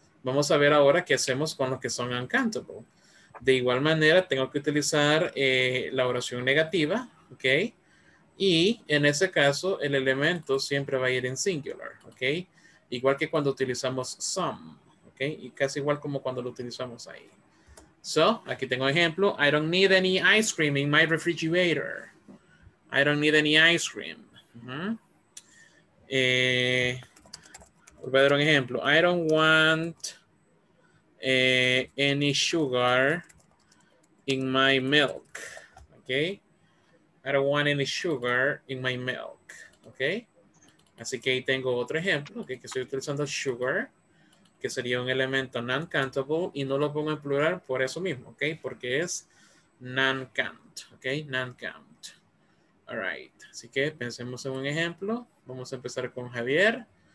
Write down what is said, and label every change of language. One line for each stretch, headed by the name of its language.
Spanish: Vamos a ver ahora qué hacemos con los que son uncantable. De igual manera, tengo que utilizar la oración negativa. Okay. Y en ese caso, el elemento siempre va a ir en singular, ¿ok? Igual que cuando utilizamos some, ¿ok? Y casi igual como cuando lo utilizamos ahí. So, aquí tengo ejemplo.
English: I don't need any ice cream in my refrigerator. I don't need any ice cream.
Spanish: Voy a dar un ejemplo.
English: I don't want any sugar in my milk, ¿ok? I don't want any sugar in my milk.
Spanish: Okay. Así que ahí tengo otro ejemplo. Okay, que estoy utilizando sugar, que sería un elemento non-countable y no lo pongo en plural por eso mismo.
English: Okay,
Spanish: porque es
English: non-count. Okay, non-count. All right.
Spanish: Así que pensemos en un ejemplo. Vamos a empezar con Javier.